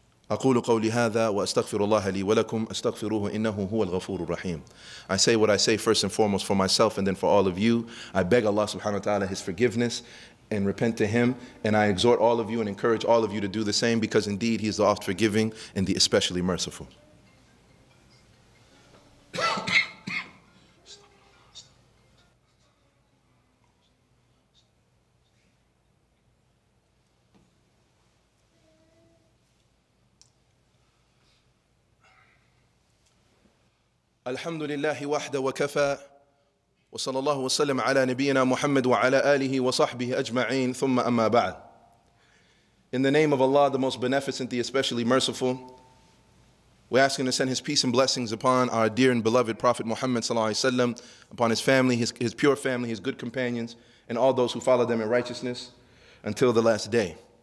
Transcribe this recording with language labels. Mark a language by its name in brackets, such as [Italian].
[Arabic] أقول قولي هذا وأستغفر الله لي ولكم أستغفروه إنه هو الغفور الرحيم. [English] I say what I say first and foremost for myself and then for all of you. I beg Allah subhanahu wa ta'ala His forgiveness and repent to Him. And I exhort all of you and encourage all of you to do the same, because indeed He is the oft forgiving and the especially merciful. [Arabic] الحمد لله وحده وكفى وصلى الله وسلم على نبينا محمد وعلى آله وصحبه أجمعين ثم أما بعد. [English] In the name of Allah, the most beneficent, the especially merciful, we ask Him to send His peace and blessings upon our dear and beloved Prophet Muhammad [Arabic] صلى الله عليه وسلم, [English] upon his family, his pure family, his good companions, and all those who follow them in righteousness until the last day.